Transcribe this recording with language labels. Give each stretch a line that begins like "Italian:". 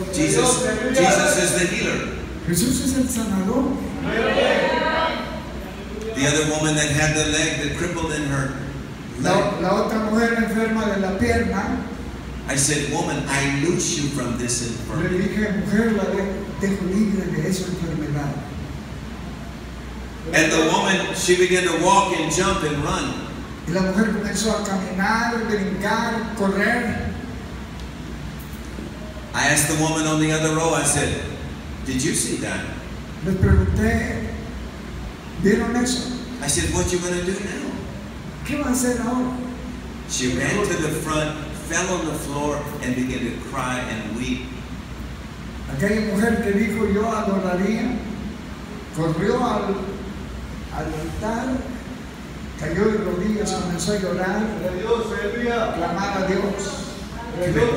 English: Jesus is the healer.
Spanish: Jesús es el sanador.
English: The other woman that had the leg that crippled in her.
Spanish: La otra mujer enferma de la pierna.
English: I said, "Woman, I loose you from this infirmity."
Spanish: Le dije, "Mujer, la dejo libre de esa enfermedad."
English: And the woman, she began to walk and jump and run.
Spanish: Y la mujer comenzó a caminar, brincar, correr.
English: I asked the woman on the other row, I said, "Did you see that?"
Spanish: Le pregunté, ¿vieron eso?
English: I said, "What you going to do now?"
Spanish: ¿Qué va a hacer ahora?
English: She ran to the front, fell on the floor, and began to cry and weep.
Spanish: Aquella mujer que dijo yo adoraría, corrió al altar, cayó de rodillas, comenzó a llorar, clamaba a Dios.